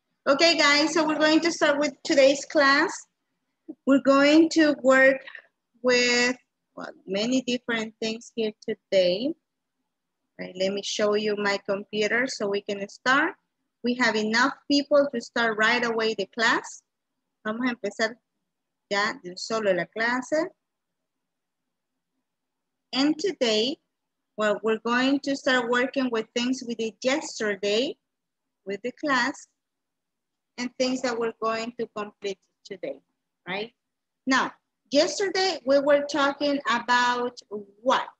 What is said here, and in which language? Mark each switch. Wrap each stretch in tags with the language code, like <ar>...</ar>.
<en>Okay, guys, so we're going to start with today's class. We're going to work with many different things here today. Right, let me show you my computer so we can start. We have enough people to start right away the class.</en> <es>Vamos a empezar ya de solo la clase.</es> <en>And today, well, we're going to start working with things we did yesterday with the class and things that we're going to complete today, right? Now, yesterday we were talking about what?</en>